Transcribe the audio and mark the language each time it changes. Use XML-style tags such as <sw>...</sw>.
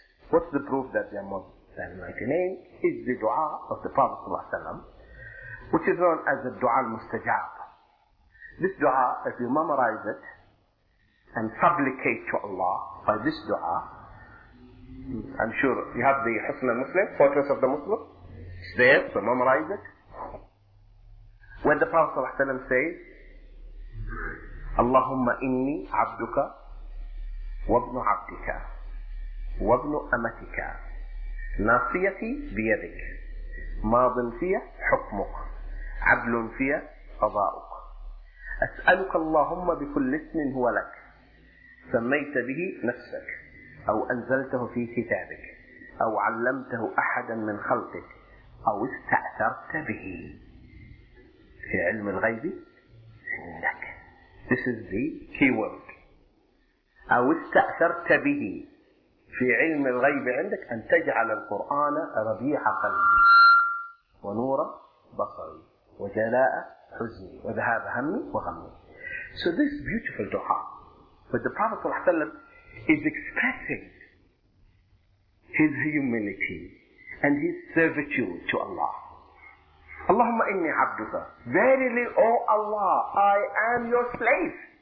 <en>What's the proof that there are more than 99 names? Is the dua of the Prophet sallallahu alaihi wasallam, which is known as the dua al-mustajab. This dua, if you memorize it and supplicate to Allah by this dua, I'm sure you have the Husn al-Muslim, Fortress of the Muslim. It's there, so memorize it. When the Prophet sallallahu alaihi wasallam says,</en> <ar>"Allahumma inni abduka wa ibnu abdika wa ibnu amatika, ناصيتي بيدك ماض في حكمك عدل في قضاؤك أسألك اللهم بكل اسم هو لك سميت به نفسك أو أنزلته في كتابك أو علمته أحدا من خلقك أو استأثرت به في علم الغيب عندك."</ar> <en>This is the keyword.</en> <ar>أو استأثرت به في علم الغيب عندك أن تجعل القرآن ربيع قلبي ونور بصري وجلاء حزني وذهاب همي وغمي.</ar> <en>So this beautiful dua, but the Prophet صلى الله عليه وسلم is expressing his humility and his servitude to Allah.</en> <ar>اللهم إني عبدك.</ar> <en>Verily, O Allah, I am your slave.</en>